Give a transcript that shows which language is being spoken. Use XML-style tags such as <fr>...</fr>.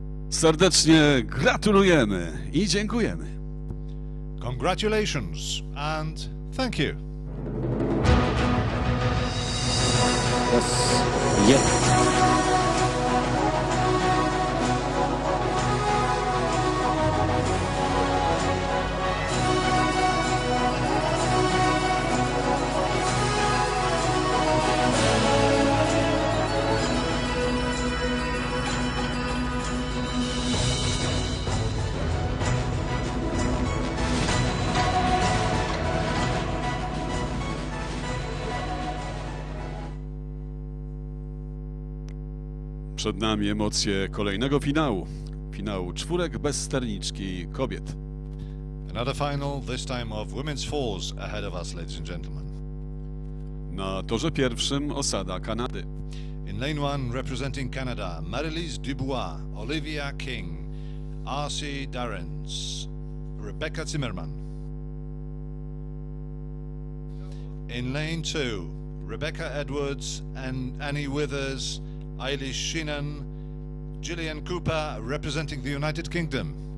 <pl>serdecznie gratulujemy i dziękujemy.</pl> <en>Congratulations and thank you. Yes.</en> <pl>Przed nami emocje kolejnego finału. Finału czwórek bez sterniczki kobiet.</pl> <en>Another final, this time of women's fours ahead of us, ladies and gentlemen.</en> <pl>Na torze pierwszym osada Kanady.</pl> <en>In lane one, representing Canada, Marylise Dubois, Olivia King, Arcy Darens, Rebecca Zimmerman. In lane two, Rebecca Edwards and Annie Withers, Eilish Sheenan, Gillian Cooper, representing the United Kingdom.</en>